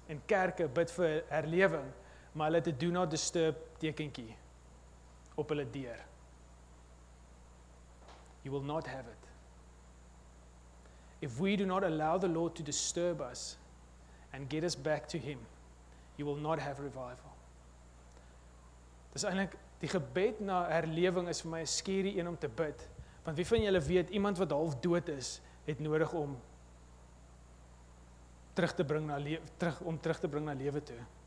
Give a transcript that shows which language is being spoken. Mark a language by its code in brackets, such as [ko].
[af] En kerke bid vir herlewing, maar hulle het 'n [en] do not disturb [af] tekentjie op hulle deur. [en] You will not have it. If we do not allow the Lord to disturb us and get us back to Him, you will not have revival. [af] Dis eintlik die gebed na herlewing is vir my 'n skerie een om te bid. Want wie van julle weet, iemand wat half dood is, het nodig om terug te bring na lewe toe.